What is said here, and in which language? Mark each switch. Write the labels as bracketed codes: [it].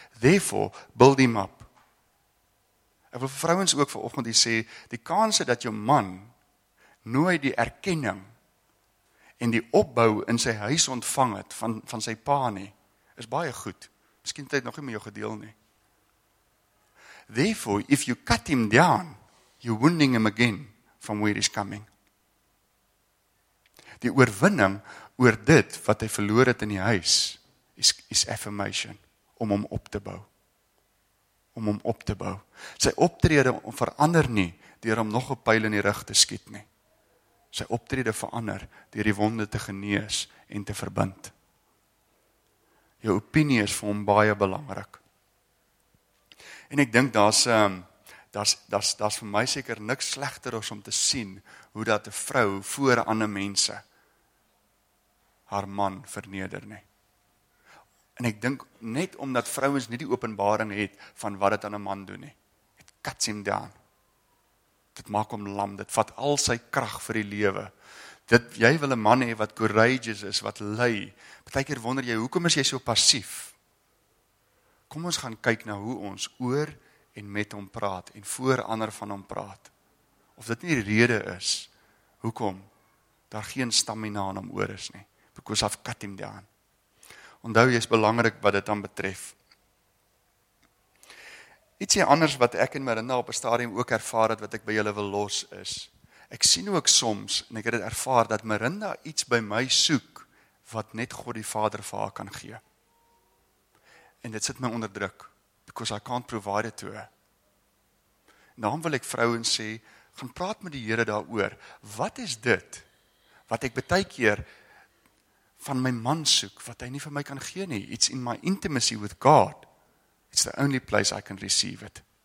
[en] Therefore, build him up. [af] Ek wil vir vrouens ook vanoggend sê, die kanse dat jou man nooit die erkenning en die opbou in sy huis ontvang het van sy pa nie, is baie goed. Miskien het hy nog nie met jou gedeel nie. [en] Therefore, if you cut him down, you're wounding him again from where he's coming. [af] Die oorwinning oor dit wat hy verloor het in die huis, is affirmation, om hom op te bou. Om hom op te bou. Sy optrede verander nie, deur hom nog 'n pijl in die rug te skiet nie. Sy optrede verander deur die wonde te genees en te verbind. Jou opinie is vir hom baie belangrik. En ek dink daar's vir my seker niks slegter as om te sien hoe dat 'n vrou voor ander mense haar man verneder nie. En ek dink net omdat vrouens nie die openbaring het van wat dit aan 'n man doen nie. [en] It cuts him down. [af] Dit maak hom lam, dit vat al sy krag vir die lewe. Dit, jy wil 'n man hê wat courageous is, wat lui. Partykeer wonder jy, hoekom is jy so passief? Kom ons gaan kyk na hoe ons oor en met hom praat en voor ander van hom praat. Of dit nie die rede is hoekom daar geen stamina aan hom oor is nie. [en] Because I've cut him down. [af] Onthou, jy is belangrik wat dit dan betref. Ietsie anders wat ek en Marinda op 'n stadium ook ervaar het wat ek by julle wil los is. Ek sien ook soms en ek het dit ervaar dat Marinda iets by my soek wat net God die Vader vir haar kan gee. En dit sit my onder druk [en] because I can't provide it to her. [af] Daarom wil ek vrouens sê, gaan praat met die Here daaroor. Wat is dit wat ek baie keer van my man soek wat hy nie vir my kan gee nie? [en] It's in my intimacy with God. It's the only place I can receive it.